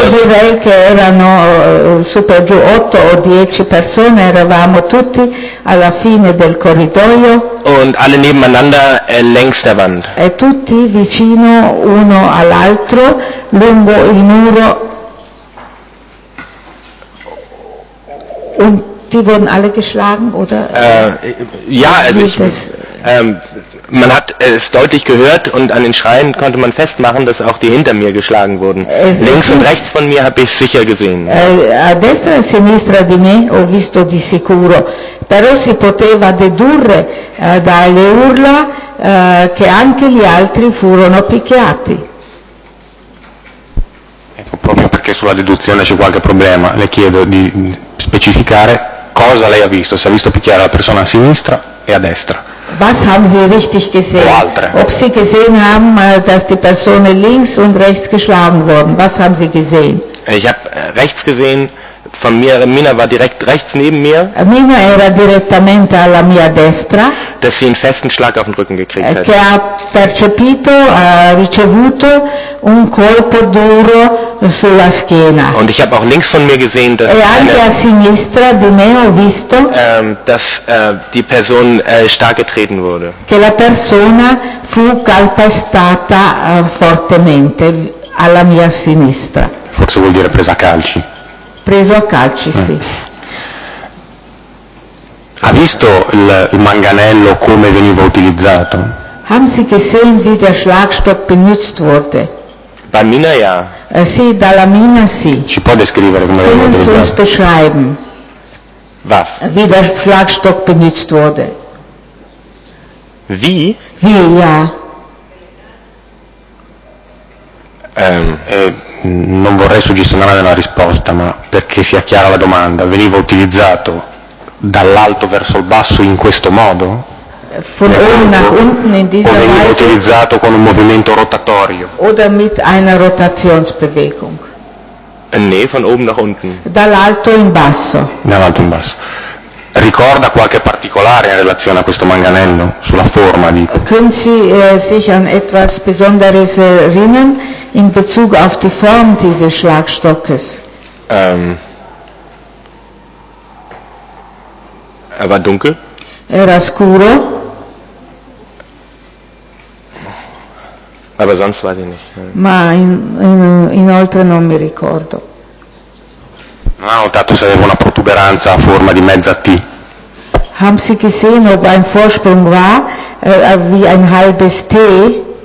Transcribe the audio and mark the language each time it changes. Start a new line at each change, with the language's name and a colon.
Italian: Io direi che erano super giù 8 o 10 persone, eravamo tutti alla fine del corridoio.
German: Und alle nebeneinander längs der Wand.
Italian: E tutti vicino uno all'altro, lungo il muro.
German: Und die wurden alle geschlagen, oder? Ja, also man hat es deutlich gehört und an den Schreien konnte man festmachen, dass auch die hinter mir geschlagen wurden. Links und rechts von mir habe ich sicher gesehen.
Italian: A destra e a sinistra di me ho visto di sicuro, però si poteva dedurre dalle urla che anche gli altri furono picchiati. Ecco, può perché sulla deduzione c'è qualche problema, le chiedo di specificare cosa lei ha visto, se ha visto picchiare la persona a sinistra e a destra.
German: Was haben Sie richtig gesehen?
Italian: O altre.
German: Ob Sie gesehen haben, dass die Person links und rechts geschlagen worden. Was haben Sie gesehen? Ich habe rechts gesehen. Von mir, Mina war direkt rechts neben mir.
Italian: Mina era direttamente alla mia destra.
German: Dass sie einen festen Schlag auf den Rücken gekriegt hat.
Italian: Che ha percepito, ha ricevuto un colpo duro sulla schiena.
German: Und ich habe auch links von mir gesehen, dass
Italian: e anche a sinistra di me ho visto,
German: dass die Person stark getreten wurde.
Italian: Che la persona fu calpestata fortemente alla mia sinistra. Forse vuol dire presa a calci. Preso a calci, sì. Ha visto il manganello come veniva utilizzato?
German: Haben Sie gesehen, wie der Schlagstock benutzt wurde? Bei Mina ja.
Italian: Sì, dalla Mina sì. Ci può descrivere come veniva utilizzato?
German: Können Sie uns beschreiben, was? Wie der Schlagstock benutzt wurde? Wie? Wie, ja.
Italian: Non vorrei suggestionare la risposta, ma perché sia chiara la domanda, veniva utilizzato dall'alto verso il basso in questo modo? O veniva utilizzato con un movimento rotatorio?
German: Oder mit einer Rotationsbewegung? Nee, von oben nach unten.
Italian: Dall'alto in basso. Dall'alto in basso. Ricorda qualche particolare in relazione a questo manganello sulla forma, dico.
German: Können Sie sich an etwas Besonderes erinnern in Bezug auf die Form dieses Schlagstockes? Er war dunkel.
Italian: Era scuro.
German: Aber sonst weiß ich nicht.
Italian: Ma inoltre non mi ricordo. Non ha notato se aveva una protuberanza a forma di mezza T.
German: Haben Sie gesehen, ob ein Vorsprung war, wie ein halbes T?